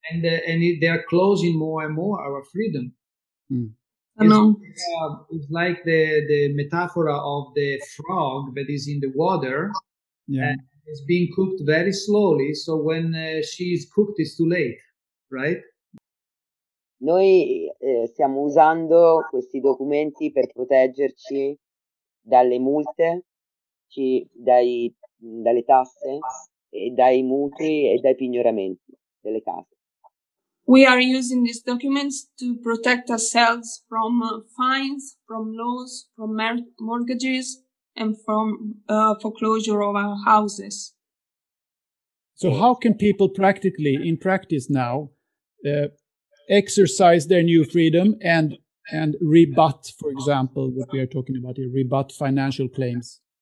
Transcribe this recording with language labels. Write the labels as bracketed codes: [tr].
[en] And they are closing more and more our freedom. Hmm. It's like the metaphor of the frog that is in the water. Yeah. It's being cooked very slowly, so when she's cooked, it's too late, right? [it] Noi stiamo usando questi documenti per proteggerci dalle multe, dalle tasse, e dai mutui e dai pignoramenti delle case. [en] We are using these documents to protect ourselves from fines, from loans, from mortgages, and from foreclosure of our houses. So how can people practically, in practice now, exercise their new freedom and rebut, for example, what we are talking about here, rebut financial claims?